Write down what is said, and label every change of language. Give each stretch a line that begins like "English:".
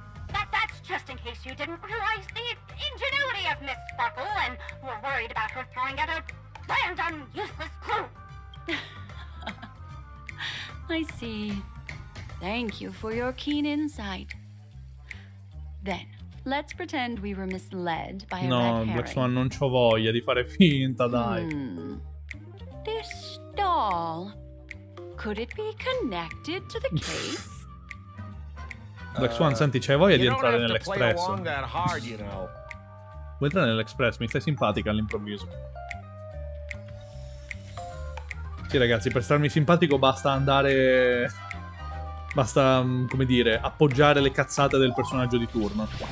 English: That's just in case you didn't realize the ingenuity of Miss Sparkle and were worried about her throwing out a random useless clue. I see. Thank you for your keen insight. Then, let's pretend we were misled by a
Italian: Black Swan, non c'ho voglia di fare finta, dai.
English: This doll, could it be connected to the case?
Italian: Black Swan, senti, c'hai voglia di entrare nell'Expresso?
English: Hard, you know.
Italian: Vuoi entrare nell'Expresso? Mi stai simpatica all'improvviso. Sì, ragazzi, per starmi simpatico basta andare... Basta, come dire, appoggiare le cazzate del personaggio di turno.